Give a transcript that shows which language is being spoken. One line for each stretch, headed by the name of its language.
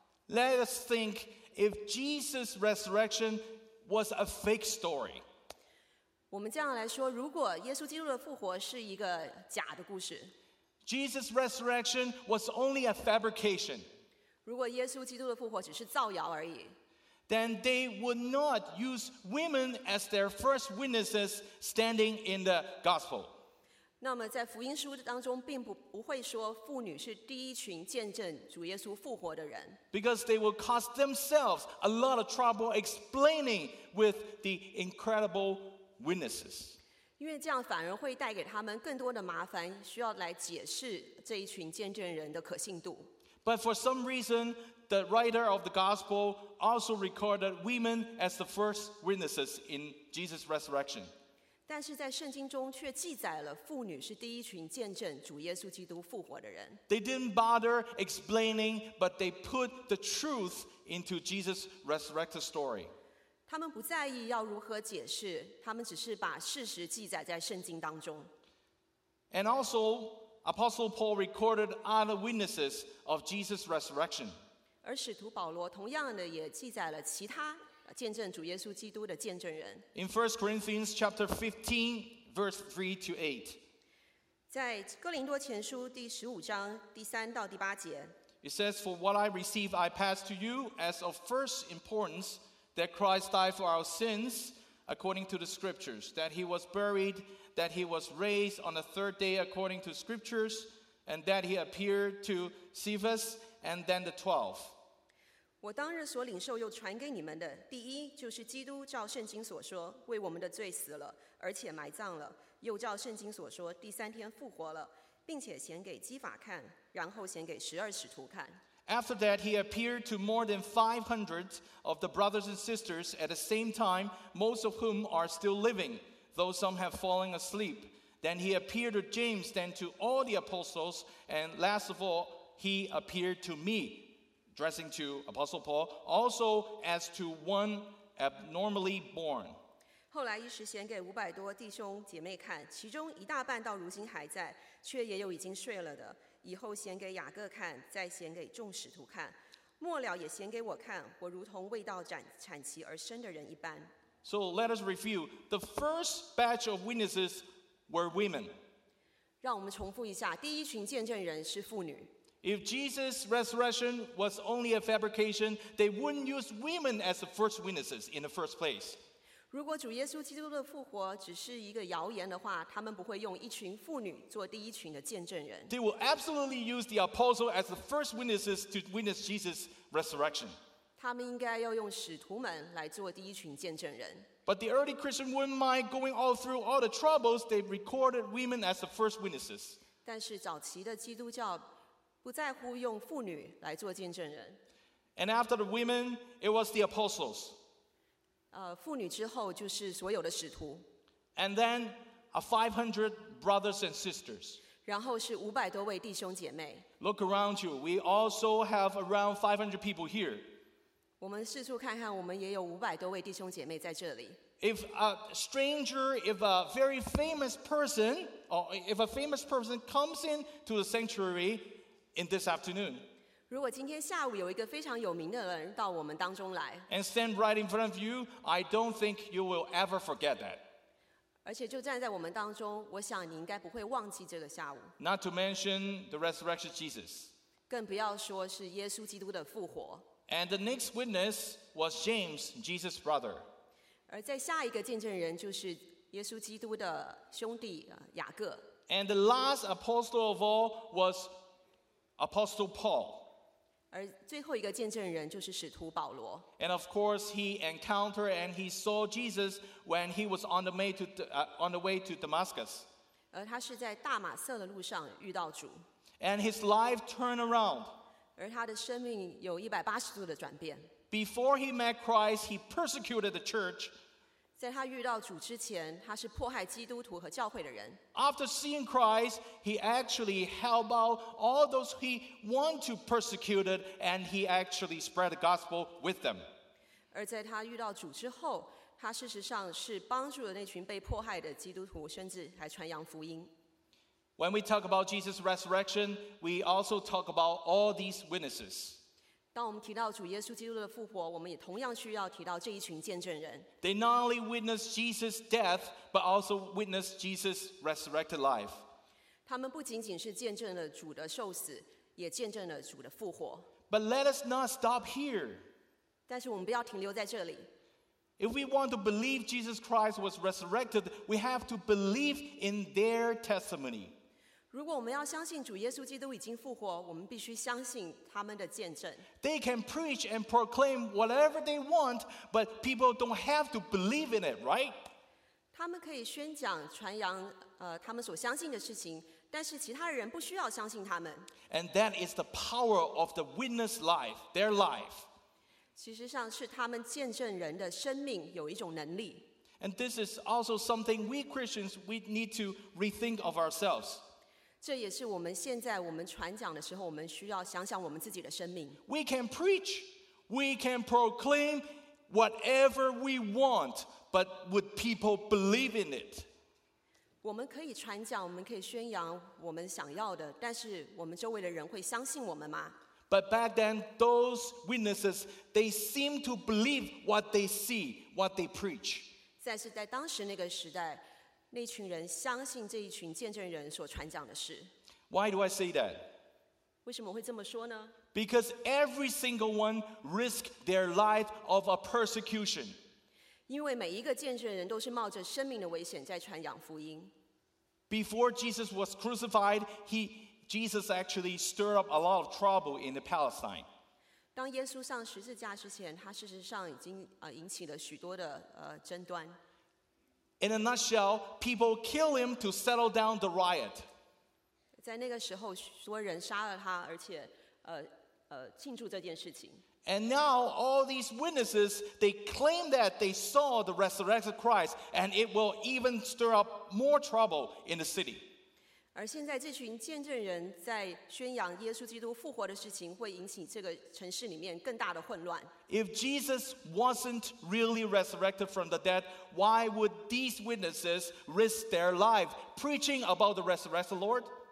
English: Let us think if Jesus' resurrection was a fake story.
Chinese: 我们这样来说，如果耶稣基督的复活是一个假的故事。
English: Jesus' resurrection was only a fabrication.
Chinese: 如果耶稣基督的复活只是造谣而已，
English: then they would not use women as their first witnesses standing in the gospel.
Chinese: 那么在福音书当中并不会说妇女是第一群见证主耶稣复活的人。
English: Because they will cause themselves a lot of trouble explaining with the incredible witnesses.
Chinese: 因为这样反而会带给他们更多的麻烦，需要来解释这一群见证人的可信度。
English: But for some reason, the writer of the gospel also recorded women as the first witnesses in Jesus' resurrection.
Chinese: 但是在圣经中却记载了妇女是第一群见证主耶稣基督复活的人。
English: They didn't bother explaining, but they put the truth into Jesus' resurrected story.
Chinese: 他们不在意要如何解释，他们只是把事实记载在圣经当中。
English: And also, Apostle Paul recorded other witnesses of Jesus' resurrection.
Chinese: 而使徒保罗同样的也记载了其他见证主耶稣基督的见证人。
English: In 1 Corinthians chapter 15, verse 3 to 8.
Chinese: 在哥林多前书第十五章第三到第八节。
English: It says, "For what I receive, I pass to you as of first importance." That Christ died for our sins according to the scriptures, that he was buried, that he was raised on the third day according to scriptures, and that he appeared to Cephas and then the twelve.
Chinese: 我当日所领受又传给你们的，第一就是基督照圣经所说为我们的罪死了，而且埋葬了，又照圣经所说第三天复活了，并且显给基法看，然后显给十二使徒看。
English: After that, he appeared to more than 500 of the brothers and sisters at the same time, most of whom are still living, though some have fallen asleep. Then he appeared to James, then to all the apostles, and last of all, he appeared to me, addressing to Apostle Paul, also as to one abnormally born.
Chinese: 后来一时显给五百多弟兄姐妹看，其中一大半到如今还在，却也有已经睡了的。以后显给雅各看，再显给众使徒看，末了也显给我看，我如同未到产期而生的人一般。
English: So let us review. The first batch of witnesses were women.
Chinese: 让我们重复一下，第一群见证人是妇女。
English: If Jesus' resurrection was only a fabrication, they wouldn't use women as the first witnesses in the first place.
Chinese: 如果主耶稣基督的复活只是一个谣言的话，他们不会用一群妇女做第一群的见证人。
English: They will absolutely use the apostle as the first witnesses to witness Jesus' resurrection.
Chinese: 他们应该要用使徒们来做第一群见证人。
English: But the early Christian wouldn't mind going all through all the troubles. They recorded women as the first witnesses.
Chinese: 但是早期的基督教不在乎用妇女来做见证人。
English: And after the women, it was the apostles.
Chinese: 妇女之后就是所有的使徒。
English: And then a 500 brothers and sisters.
Chinese: 然后是五百多位弟兄姐妹。
English: Look around you. We also have around 500 people here.
Chinese: 我们四处看看，我们也有五百多位弟兄姐妹在这里。
English: If a stranger, if a very famous person, or if a famous person comes in to the sanctuary in this afternoon.
Chinese: 如果今天下午有一个非常有名的人到我们当中来
English: ，and stand right in front of you, I don't think you will ever forget that.
Chinese: 而且就站在我们当中，我想你应该不会忘记这个下午。
English: Not to mention the resurrection Jesus.
Chinese: 更不要说是耶稣基督的复活。
English: And the next witness was James, Jesus' brother.
Chinese: 而在下一个见证人就是耶稣基督的兄弟雅各。
English: And the last apostle of all was Apostle Paul.
Chinese: 而最后一个见证人就是使徒保罗。
English: And of course, he encountered and he saw Jesus when he was on the way to Damascus.
Chinese: 而他是在大马色的路上遇到主。
English: And his life turned around.
Chinese: 而他的生命有180度的转变。
English: Before he met Christ, he persecuted the church.
Chinese: 在他遇到主之前，他是迫害基督徒和教会的人。
English: After seeing Christ, he actually helped out all those he wanted to persecute it, and he actually spread the gospel with them.
Chinese: 而在他遇到主之后，他事实上是帮助了那群被迫害的基督徒，甚至还传扬福音。
English: When we talk about Jesus' resurrection, we also talk about all these witnesses.
Chinese: 当我们提到主耶稣基督的复活，我们也同样需要提到这一群见证人。
English: They not only witnessed Jesus' death, but also witnessed Jesus' resurrected life.
Chinese: 他们不仅仅是见证了主的受死，也见证了主的复活。
English: But let us not stop here.
Chinese: 但是我们不要停留在这里。
English: If we want to believe Jesus Christ was resurrected, we have to believe in their testimony.
Chinese: 如果我们要相信主耶稣基督已经复活，我们必须相信他们的见证。
English: They can preach and proclaim whatever they want, but people don't have to believe in it, right?
Chinese: 他们可以宣讲、传扬他们所相信的事情，但是其他人不需要相信他们。
English: And that is the power of the witness life, their life.
Chinese: 其实上是他们见证人的生命有一种能力。
English: And this is also something we Christians, we need to rethink of ourselves.
Chinese: 这也是我们现在我们传讲的时候，我们需要想想我们自己的生命。
English: We can preach, we can proclaim whatever we want, but would people believe in it?
Chinese: 我们可以传讲，我们可以宣扬我们想要的，但是我们周围的人会相信我们吗？
English: But back then, those witnesses, they seem to believe what they see, what they preach.
Chinese: 但是在当时那个时代。那群人相信这一群见证人所传讲的事。
English: Why do I say that?
Chinese: 为什么会这么说呢？
English: Because every single one risked their life of a persecution.
Chinese: 因为每一个见证人都是冒着生命的危险在传扬福音。
English: Before Jesus was crucified, Jesus actually stirred up a lot of trouble in the Palestine.
Chinese: 当耶稣上十字架之前，他事实上已经引起了许多的争端。
English: In a nutshell, people kill him to settle down the riot.
Chinese: 在那个时候，许多人杀了他，而且庆祝这件事情。
English: And now all these witnesses, they claim that they saw the resurrected Christ, and it will even stir up more trouble in the city.
Chinese: 而现在这群见证人在宣扬耶稣基督复活的事情，会引起这个城市里面更大的混乱。
English: If Jesus wasn't really resurrected from the dead, why would these witnesses risk their life preaching about the resurrected Lord?